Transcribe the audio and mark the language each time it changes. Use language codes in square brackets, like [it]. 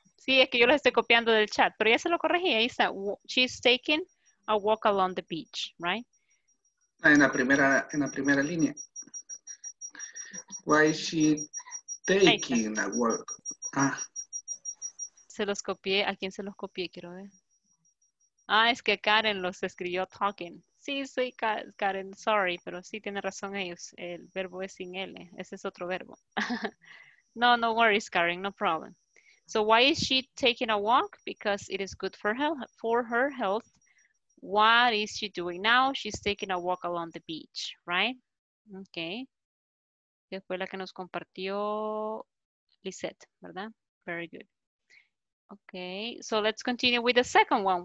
[es] Sí, es que yo les estoy copiando del chat, pero ya se lo corregí, ahí está. [en] She's taking a walk along the beach, right? [es] En la primera línea. [en] Why is she taking a walk? [es] Se los copié. ¿A quién se los copié? Quiero ver. Es que Karen los escribió talking. Sí, Sí, soy Karen, sorry, pero sí tiene razón ellos. El verbo es sin L, ese es otro verbo. [en] No worries, Karen, no problem. So why is she taking a walk? Because it is good for her health. What is she doing now? She's taking a walk along the beach, right? Okay. [es] Que fue la que nos compartió Lisette, ¿verdad? [en] Very good. Okay, so let's continue with the second one.